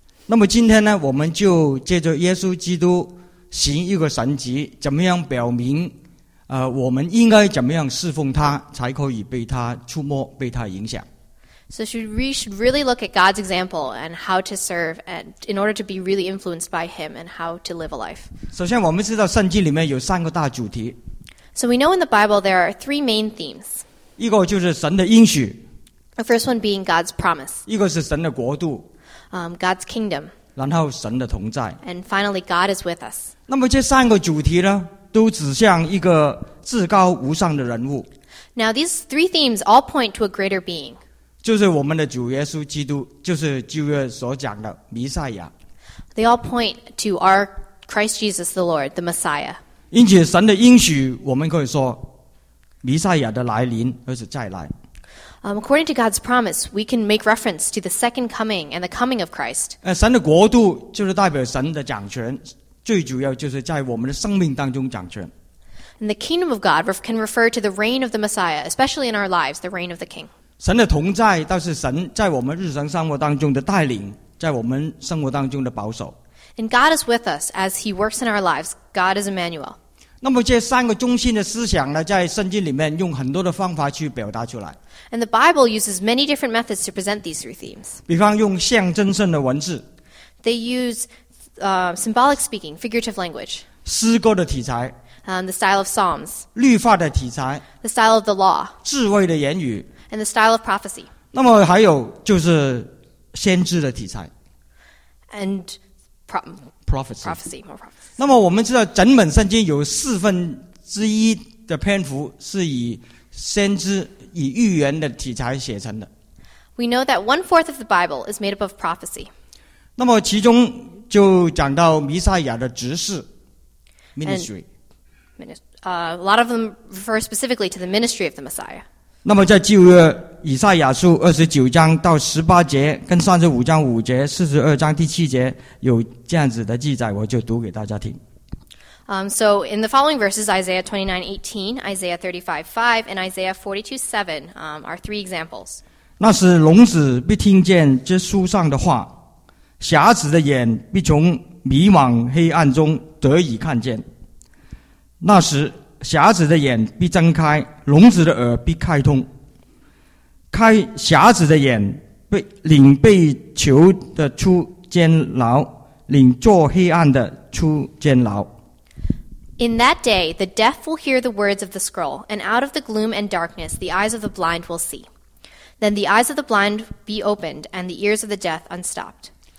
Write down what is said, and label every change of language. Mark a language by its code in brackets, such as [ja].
[zh] 那么今天呢，我们就借着耶稣基督行一个神迹，怎么样表明，我们应该怎么样侍奉他，才可以被他触摸，被他影响。 [en] So we should really look at God's example and how to serve, and in order to be really influenced by Him and how to live a life. [zh] 首先，我们知道圣经里面有三个大主题。 [en] So we know in the Bible there are three main themes. [zh] 一个就是神的应许。 [en] The first one being God's promise. [zh] 一个是神的国度。 [en] God's kingdom. [zh] 然后神的同在。 [en] And finally, God is with us. [zh] 那么这三个主题呢，都指向一个至高无上的人物。 [en] Now these three themes all point to a greater being. [zh] 就是我们的主耶稣基督，就是旧约所讲的弥赛亚。 [en] They all point to our Christ Jesus the Lord, the Messiah. [zh] 因此神的应许，我们可以说，弥赛亚的来临，而是再来。 [en] According to God's promise, we can make reference to the second coming and the coming of Christ. [zh] 神的国度就是代表神的掌权，最主要就是在我们的生命当中掌权。 [en] And the kingdom of God can refer to the reign of the Messiah, especially in our lives, the reign of the King. [zh] 神的同在倒是神在我们日常生活当中的带领，在我们生活当中的保守。 [en] And God is with us as He works in our lives. God is Emmanuel. [zh] 那么这三个中心的思想呢，在圣经里面用很多的方法去表达出来。 [en] And the Bible uses many different methods to present these three themes. [zh] 比方用象征性的文字。 [en] They use symbolic speaking, figurative language. [zh] 诗歌的题材。 [en] The style of Psalms. [zh] 律法的题材。 [en] The style of the law. [zh] 智慧的言语。 [en] And the style of prophecy. [zh] 那么还有就是先知的题材。 [en] And prophecy. Prophecy, more prophecy. [zh] 那么我们知道整本圣经有四分之一的篇幅是以先知以预言的题材写成的。 [en] We know that one fourth of the Bible is made up of prophecy. [zh] 那么其中就讲到弥赛亚的执事 ministry. [en] A lot of them refer specifically to the ministry of the Messiah. [zh] 那么在旧约以赛亚书二十九章到十八节，跟三十五章五节、四十二章第七节有这样子的记载，我就读给大家听。 [en] So in the following verses, Isaiah 29:18, Isaiah 35:5, and Isaiah 42:7, are three examples. [zh] 那时聋子必听见这书上的话，瞎子的眼必从迷惘黑暗中得以看见。那时瞎子的眼必睁开，聋子的耳必开通。开瞎子的眼，领被囚的出监牢，领坐黑暗的出监牢。 [en] In that day, the deaf will hear the words of the scroll, and out of the gloom and darkness, the eyes of the blind will see. Then the eyes of the blind be opened, and the ears of the deaf unstopped.